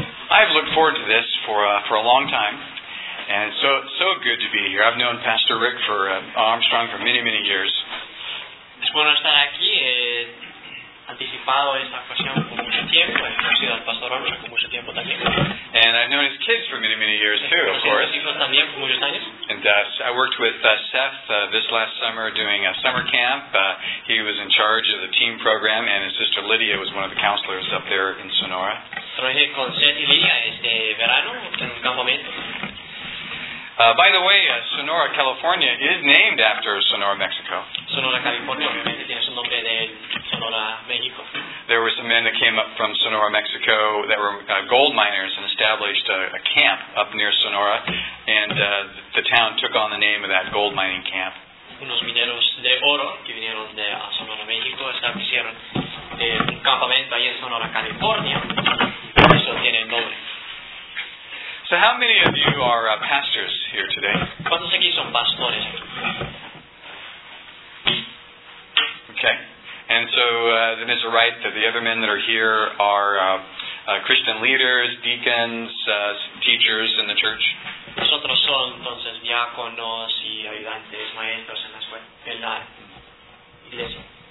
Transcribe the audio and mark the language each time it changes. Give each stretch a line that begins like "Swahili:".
English: I've looked forward to this for a long time, and it's so good to be here. I've known Pastor Rick for Armstrong for many, many years.
Spanish: Es bueno estar aquí. Anticipado esta ocasión por mucho tiempo. He conocido al Pastor Armstrong por mucho tiempo también.
English: And I've known his kids for many, many years too, of course.
Spanish: Hijos también por muchos años.
English: And I worked with Seth this last summer doing a summer camp. He was in charge of the team program, and his sister Lydia was one of the counselors up there in Sonora.
Spanish: Trabajé con Seth y Lydia este verano en un campamento.
English: By the way, Sonora, California is named after Sonora, Mexico.
Spanish: Sonora, California, obviamente tiene su nombre de Sonora, México.
English: There were some men that came up from Sonora, Mexico that were gold miners and established a camp up near Sonora, and the town took on the name of that gold mining camp.
Spanish: Unos mineros de oro que vinieron de Sonora, México, establecieron un campamento ahí en Sonora, California, y eso tiene el nombre.
English: So how many of you are pastors here today?
Spanish: ¿Cuántos aquí son pastores?
English: Okay. And so then it's right that the other men that are here are Christian leaders, deacons, teachers in the church.
Spanish: Nosotros son entonces diáconos y ayudantes, maestros en la iglesia.